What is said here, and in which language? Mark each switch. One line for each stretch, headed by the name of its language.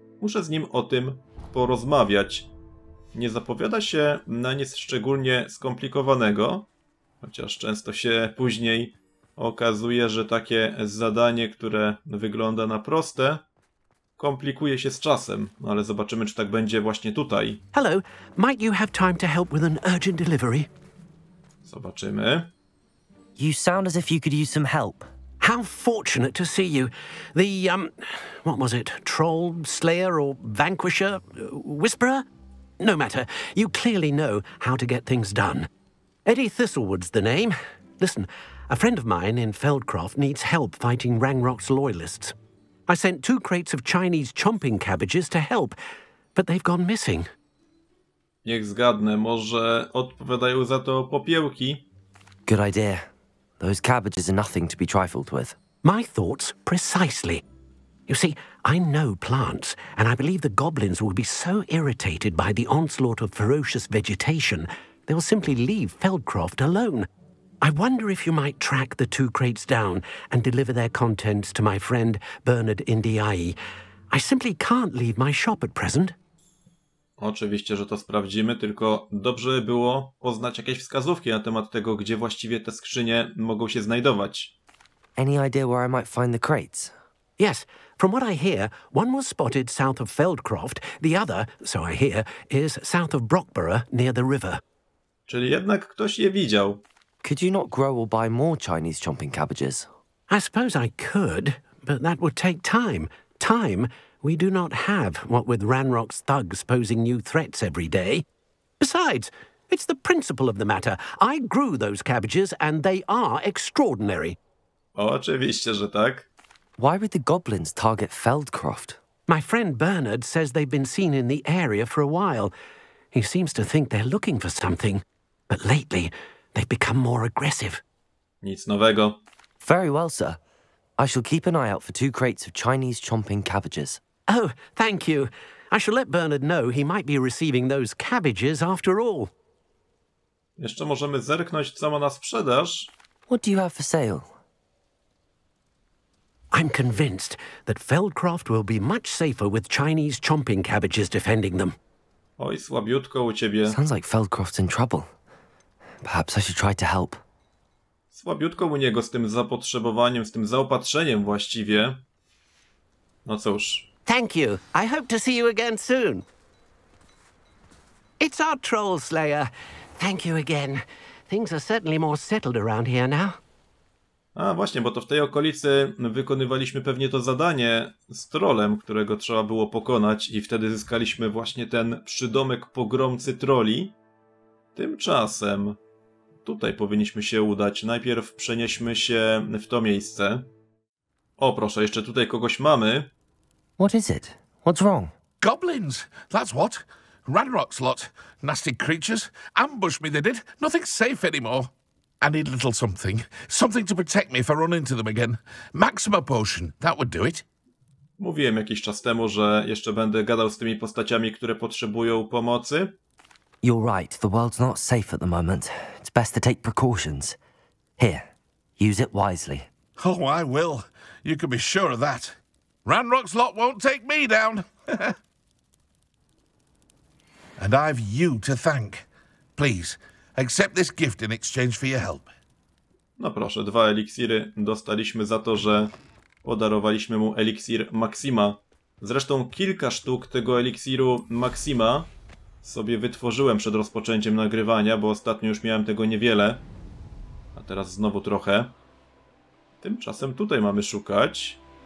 Polish: Muszę z nim o tym porozmawiać. Nie zapowiada się na nic szczególnie skomplikowanego. Chociaż często się później okazuje, że takie zadanie, które wygląda na proste, komplikuje się z czasem, ale zobaczymy, czy tak będzie właśnie tutaj.
English: Hello, might you have time to help with an urgent delivery?
Polish: Zobaczymy.
English: You sound as if you could use some help. How fortunate to see you. The what was it? Troll, slayer or vanquisher, whisperer? No matter. You clearly know how to get things done. Eddie Thistlewood's the name. Listen, a friend of mine in Feldcroft needs help fighting Rangrock's loyalists. I sent two crates of Chinese chomping cabbages to help, but they've gone missing.
Polish: Niech zgadnę, może odpowiadają za to popiełki?
English: Good idea. Those cabbages are nothing to be trifled with. My thoughts, precisely. You see, I know plants, and I believe the goblins will be so irritated by the onslaught of ferocious vegetation they will simply leave Feldcroft alone. I wonder if you might track the two crates down and deliver their contents to my friend Bernard Indiai. I simply can't leave my shop at present.
Polish: Oczywiście, że to sprawdzimy, tylko dobrze by było poznać jakieś wskazówki na temat tego, gdzie właściwie te skrzynie mogą się znajdować.
English: Any idea where I might find the crates? Yes, from what I hear, one was spotted south of Feldcroft, the other, so I hear, is south of Brockborough near the river.
Polish: Czyli jednak ktoś je widział.
English: Could you not grow or buy more Chinese chomping cabbages? I suppose I could, but that would take time. Time we do not have, what with Ranrock's thugs posing new threats every day. Besides, it's the principle of the matter. I grew those cabbages and they are extraordinary.
Polish: Oczywiście, że tak.
English: Why would the goblins target Feldcroft? My friend Bernard says they've been seen in the area for a while. He seems to think they're looking for something, but lately they've become more aggressive.
Polish: Nic nowego.
English: Very well, sir. I shall keep an eye out for two crates of Chinese chomping cabbages. Oh, thank you. I shall let Bernard know he might be receiving those cabbages after all.
Polish: Jeszcze możemy zerknąć, co ma na sprzedaż.
English: What do you have for sale? I'm convinced that Feldcroft will be much safer with Chinese chomping cabbages defending them.
Polish: Oj, słabiutko u ciebie.
English: Sounds like Feldcroft's in trouble. Perhaps I should try to help.
Polish: Słabiutko u niego z tym zapotrzebowaniem, z tym zaopatrzeniem właściwie. No cóż.
English: Thank you. I hope to see you again soon. It's our troll slayer. Thank you again. Things are certainly more settled around here now.
Polish: A właśnie, bo to w tej okolicy wykonywaliśmy pewnie to zadanie z trolem, którego trzeba było pokonać i wtedy zyskaliśmy właśnie ten przydomek pogromcy troli. Tymczasem tutaj powinniśmy się udać. Najpierw przenieśmy się w to miejsce. O, proszę, jeszcze tutaj kogoś mamy.
English: What is it? What's wrong? Goblins! That's what? Ranrock's lot. Nasty creatures. Ambush me they did. Nothing's safe anymore. I need a little something. Something to protect me if I run into them again. Maxima potion. That would do it.
Polish: Mówiłem jakiś czas temu, że jeszcze będę gadał z tymi postaciami, które potrzebują pomocy.
English: You're right. The world's not safe at the moment. It's best to take precautions. Here, use it wisely. Oh, I will. You can be sure of that. Ranrock's lot won't take me down. And I've you to thank. Please. Accept this gift in exchange for your help.
Polish: No proszę, dwa eliksiry dostaliśmy za to, że podarowaliśmy mu eliksir Maxima. Zresztą kilka sztuk tego eliksiru Maxima sobie wytworzyłem przed rozpoczęciem nagrywania, bo ostatnio już miałem tego niewiele. A teraz znowu trochę. Tymczasem tutaj mamy szukać.